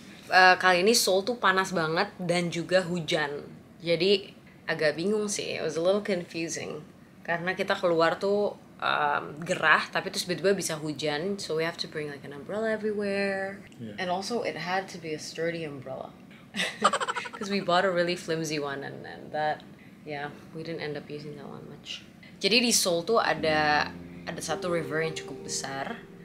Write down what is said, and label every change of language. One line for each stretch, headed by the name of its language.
Indonesian: Kali ini Seoul tuh panas banget dan juga hujan. Jadi agak bingung sih,
English: it was a little confusing.
Indonesian: Karena kita keluar tuh gerah, tapi terus tiba-tiba bisa hujan.
English: So we have to bring like an umbrella everywhere. Yeah. And also it had to be a sturdy umbrella. Because we bought a really flimsy one and that, yeah, we didn't end up using that one much.
Indonesian: Jadi di Seoul tuh ada satu river yang cukup besar.